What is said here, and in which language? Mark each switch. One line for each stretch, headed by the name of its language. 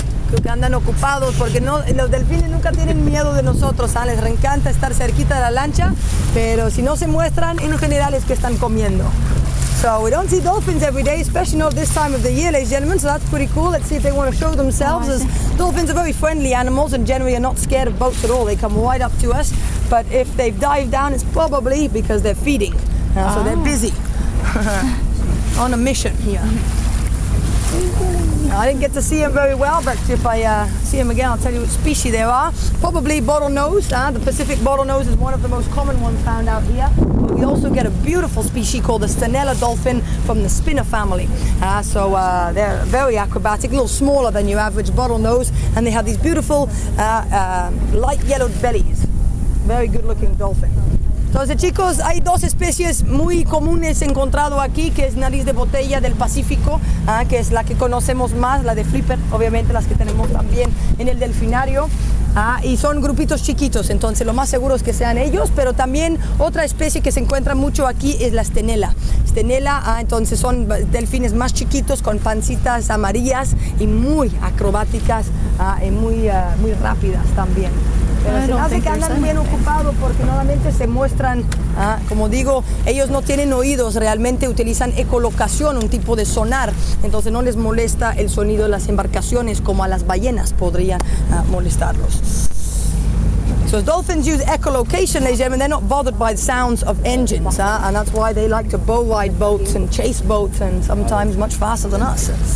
Spanish: Creo que andan ocupados porque no, los delfines nunca tienen miedo de nosotros. Les encanta estar cerquita de la lancha, pero si no se muestran, en general es que están comiendo.
English: So we don't see dolphins every day, especially not this time of the year, ladies and gentlemen, so that's pretty cool. Let's see if they want to show themselves, as dolphins are very friendly animals and generally are not scared of boats at all. They come right up to us, but if they've dived down, it's probably because they're feeding. So they're busy on a mission here. I didn't get to see them very well, but if I see them again, I'll tell you what species they are. Probably bottlenose. The Pacific bottlenose is one of the most common ones found out here. But we also get a beautiful species called the Stenella dolphin from the spinner family. So they're very acrobatic, a little smaller than your average bottlenose. And they have these beautiful light yellowed bellies. Very good looking dolphin.
Spanish: Entonces, chicos, hay dos especies muy comunes encontrado aquí, que es nariz de botella del Pacífico, que es la que conocemos más, la de flipper, obviamente las que tenemos también en el delfinario, y son grupitos chiquitos, entonces lo más seguro es que sean ellos, pero también otra especie que se encuentra mucho aquí es la Stenella. Stenella, entonces son delfines más chiquitos con pancitas amarillas y muy acrobáticas y muy, muy rápidas también. Pero se hace que andan bien ocupados porque normalmente se muestran, como digo, ellos no tienen oídos, realmente utilizan ecolocación, un tipo de sonar, entonces no les molesta el sonido de las embarcaciones como a las ballenas podría molestarlos.
English: So dolphins use echolocation, ladies and gentlemen, they're not bothered by the sounds of engines, and that's why they like to bow ride boats and chase boats and sometimes much faster than us.